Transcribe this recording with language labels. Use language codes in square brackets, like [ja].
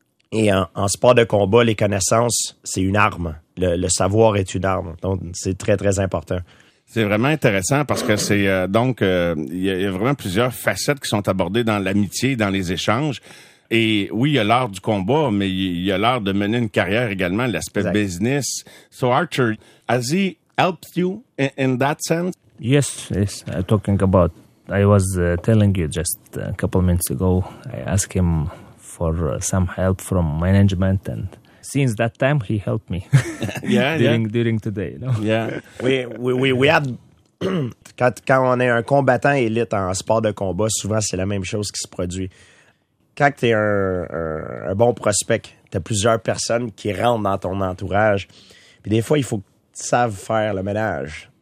[fr] Et en sport de combat, les connaissances, c'est une arme. Le savoir est une arme. Donc, c'est très, très important. C'est vraiment intéressant parce que c'est il y a vraiment plusieurs facettes qui sont abordées dans l'amitié, dans les échanges. Et oui, il y a l'art du combat, mais il y a l'art de mener une carrière également, l'aspect exact. [en] Business. So, Arthur, has he helped you in that sense? Yes. I was telling you just a couple minutes ago, I asked him for some help from management, and since that time he helped me. during today, you know? [fr] we have quand on est un combattant élite en sport de combat, souvent c'est la même chose qui se produit. Quand t'es un bon prospect, t'as plusieurs personnes qui rentrent dans ton entourage, puis des fois il faut que tu saves faire le ménage.